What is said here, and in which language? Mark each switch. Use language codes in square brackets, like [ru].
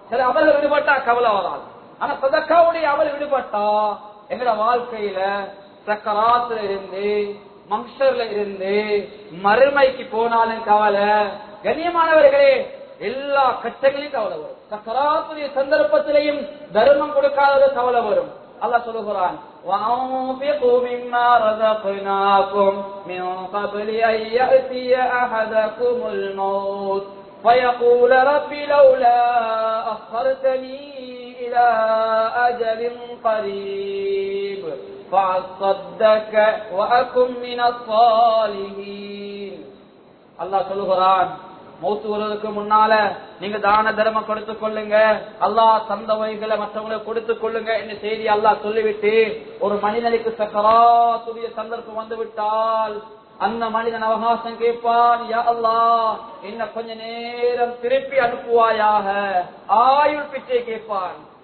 [ta] சில அமல் விடுபட்டா கவலை வராது, ஆனா சதக்காவுடைய அமல் விடுபட்டா எங்கட வாழ்க்கையில சக்கராத்துல இருந்து மங்ஷர்ல இருந்து மறுமைக்கு போனாலும் கவலை. கண்ணியமானவர்களே, எல்லா கட்டங்களையும் கவலை வரும். சக்கராத்துடைய சந்தர்ப்பத்திலையும் தர்மம் கொடுக்காத கவலை வரும். அல்லாஹ் சொல்லுகிறான், [ar] فيقول ربي لولا أخرتني إلى أجل قريب فأصدق وأكن من الصالحين. [ta] الله சொல்லுகிறார், மௌத்து வருவதற்கு முன்னால நீங்க தான தர்ம கொடுத்துக் கொள்ளுங்க, அல்லாஹ் தந்தவைகளை மற்றவங்களை கொடுத்துக் கொள்ளுங்க என்று செய்தி அல்லாஹ் சொல்லிவிட்டு ஒரு மனிதனுக்கு சக்கராத்துடைய சந்தர்ப்பம் வந்துவிட்டால் அந்த மனிதன் அவகாசம் கேட்பான், யா அல்லாஹ் என்ன கொஞ்ச நேரம் திருப்பி அனுப்புவாயாக, ஆயுள் பிச்சை கேட்பான்.